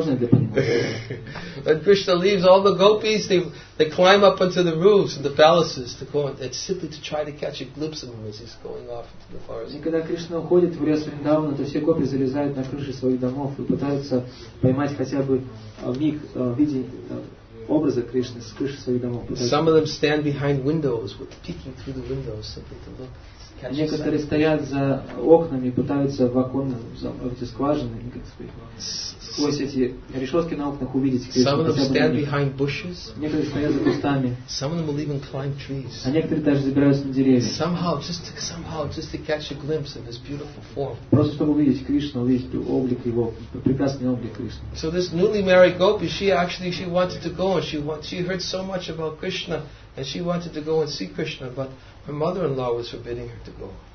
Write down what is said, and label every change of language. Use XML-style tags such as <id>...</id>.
<en>When Krishna leaves, all the gopis, they climb up onto the roofs and the palaces to go and simply to try to catch a glimpse of him as he's going off into the forest.</en> <ru>Когда Кришна уходит в лес Вриндавана, то все гопи залезают на крыши своих домов и пытаются поймать хотя бы миг видеть образа Кришны с крыши своих домов.</ru> <en>Some of them stand behind windows, peeking through the windows simply to look.</en> <ru>Некоторые стоят за окнами и пытаются в оконно, в эти скважины, сквозь эти решетки на окнах увидеть Кришну.</ru> <en>Some of them stand behind bushes.</en> <ru>Некоторые стоят за кустами.</ru> <en>Some of them will even climb trees.</en> <ru>А некоторые даже забираются на деревья.</ru> <en>Somehow, just to catch a glimpse of his beautiful form.</en> <ru>Просто чтобы увидеть Кришну, увидеть облик его, прекрасный облик Кришны.</ru> <en>So this newly married gopi, she wanted to go, and she heard so much about Krishna, and she wanted to go and see Krishna, but her mother-in-law was forbidding her to go.</en>